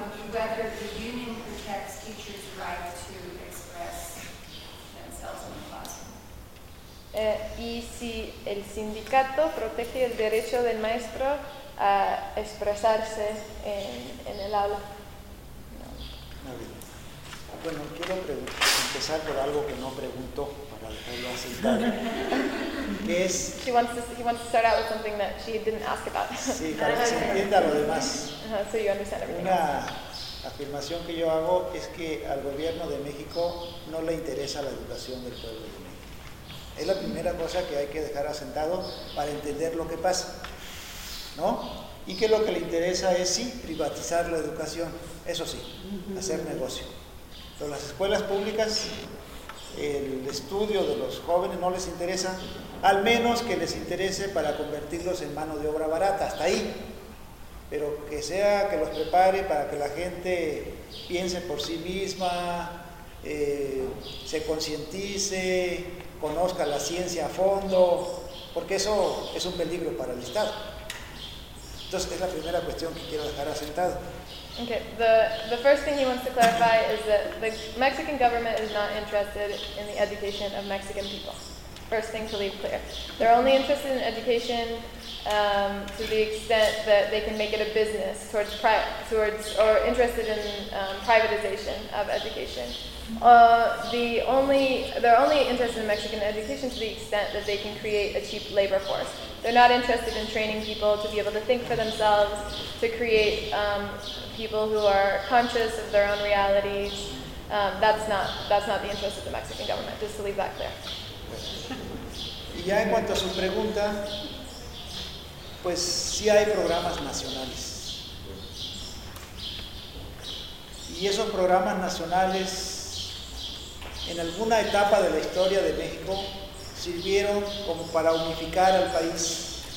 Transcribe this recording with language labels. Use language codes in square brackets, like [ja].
[en] Whether the union protects teachers' right to express themselves in the classroom. [es] Y si el sindicato protege el derecho del maestro a expresarse en el aula. No. Muy bien. Bueno, quiero empezar por algo que no pregunto para dejarlo asentado. Que es. [en] He wants to start out with something that she didn't ask about. [es] Sí, para que se entienda lo demás. [en] So you understand everything. [es] Una afirmación que yo hago es que al gobierno de México no le interesa la educación del pueblo de México. Es la primera cosa que hay que dejar asentado para entender lo que pasa, ¿no? Y que lo que le interesa es, sí, privatizar la educación, eso sí, hacer negocio. Pero las escuelas públicas, el estudio de los jóvenes no les interesa, al menos que les interese para convertirlos en mano de obra barata, hasta ahí. Pero que sea que los prepare para que la gente piense por sí misma, se concientice, conozca la ciencia a fondo, porque eso es un peligro para el Estado. Entonces, es la primera cuestión que quiero dejar asentada. [en] Okay, the first thing he wants to clarify is that the Mexican government is not interested in the education of Mexican people. First thing to leave clear. They're only interested in education to the extent that they can make it a business towards interested in privatization of education. They're only interested in Mexican education to the extent that they can create a cheap labor force. They're not interested in training people to be able to think for themselves, to create people who are conscious of their own realities. That's not the interest of the Mexican government, just to leave that clear. [es] Y ya en cuanto a su pregunta, pues sí hay programas nacionales. Y esos programas nacionales, en alguna etapa de la historia de México, sirvieron como para unificar al país.